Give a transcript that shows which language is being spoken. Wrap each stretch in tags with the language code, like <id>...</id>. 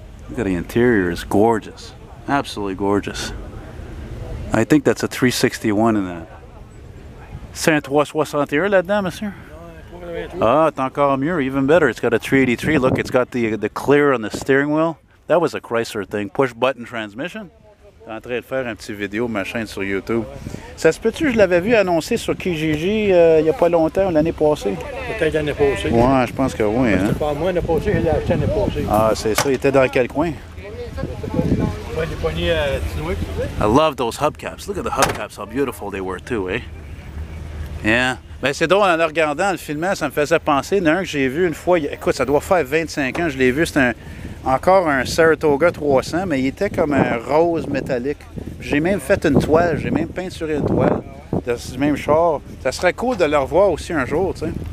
<en>Look at the interior, it's gorgeous. Absolutely gorgeous. I think that's a 361 in that. 361</en> <fr>là-dedans, monsieur?</fr> <en>Ah, it's</en> <fr>encore mieux,</fr> <en>even better. It's got a 383. Look, it's got the clear on the steering wheel. That was a Chrysler thing. Push-button transmission.</en> <fr>T'es en train de faire un petit vidéo, machin, sur YouTube. Ça se peut-tu, je l'avais vu annoncé sur Kijiji il y a pas longtemps, l'année passée? Peut-être l'année passée. Ouais, je pense que oui. C'était pas moi l'année passée, je l'ai acheté l'année passée. Ah, c'est ça, il était dans quel coin?</fr> <en>I love those hubcaps. Look at the hubcaps, how beautiful they were too, eh? Yeah.</en> <fr>Ben c'est drôle, en regardant le filmant, ça me faisait penser, il y en a un que j'ai vu une fois, écoute, ça doit faire 25 ans, je l'ai vu, c'était encore un Saratoga 300, mais il était comme un rose métallique. J'ai même fait une toile, j'ai même peinturé une toile de ce même char. Ça serait cool de le revoir aussi un jour, tu sais.</fr>